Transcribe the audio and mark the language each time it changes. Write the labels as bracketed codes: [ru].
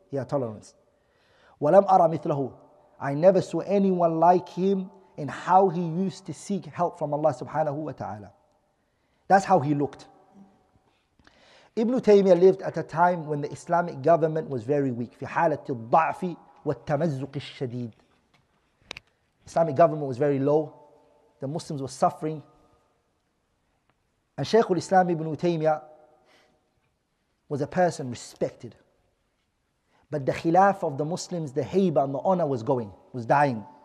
[en] He had tolerance. [ar] ولم أرى مثله. [en] I never saw anyone like him in how he used to seek help from Allah subhanahu wa ta'ala. That's how he looked. Ibn Taymiyyah lived at a time when the Islamic government was very weak. [ar] في حالة الضعف والتمزق الشديد. [en] Islamic government was very low. The Muslims were suffering. And Shaykh al-Islam Ibn Taymiyyah was a person respected. But the khilaf of the Muslims, the haiba and the honor was going, was dying.